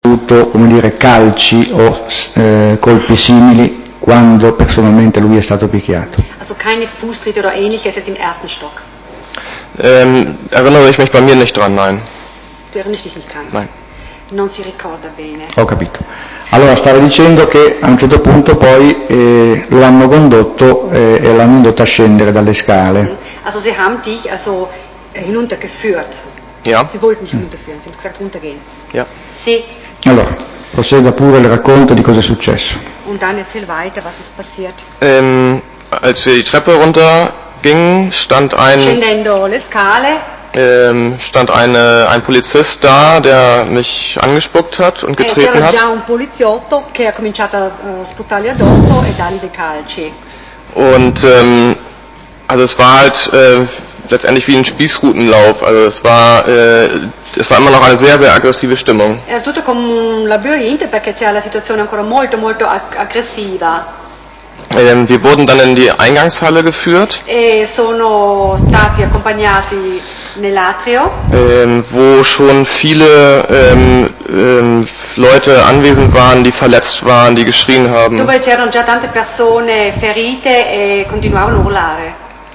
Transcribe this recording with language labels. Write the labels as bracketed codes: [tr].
[it] avuto, come dire, calci o colpi simili quando personalmente lui è stato picchiato. [de] Also keine Fußtritte oder ähnliches jetzt im ersten Stock. Erinnere ich mich bei mir nicht dran, nein. Du erinnerst dich nicht dran? Nein. [it] Non si ricorda bene. Ho capito. Allora, stavo dicendo che a un certo punto poi lo hanno condotto e l'hanno indotto a scendere dalle scale. [de] Also sie haben dich also hinuntergeführt. Ja. Sie wollten dich hinunterführen, sie haben gesagt runtergehen. Ja. [it] Sì. Allora, proseguo pure il racconto di cosa è successo. [de] Und dann erzähl weiter, was ist passiert. Als wir die Treppe runtergingen, stand ein... [it] Scendendo le scale. [de] Stand ein Polizist da, der mich angespuckt hat und getreten hat. [it] C'era già un poliziotto che ha cominciato a sputtargli addosso e dargli dei calci. [de] Und also es war halt letztendlich wie ein Spießrutenlauf. Also es war immer noch eine sehr sehr aggressive Stimmung. [it] Era tutto come un labirinto perché c'era la situazione ancora molto molto aggressiva. [de] Wir wurden dann in die Eingangshalle geführt. [it] E sono stati accompagnati nell'atrio. [de] Wo schon viele Leute anwesend waren, die verletzt waren, die geschrien haben. [it] Dove c'erano già tante persone ferite e continuavano a urlare.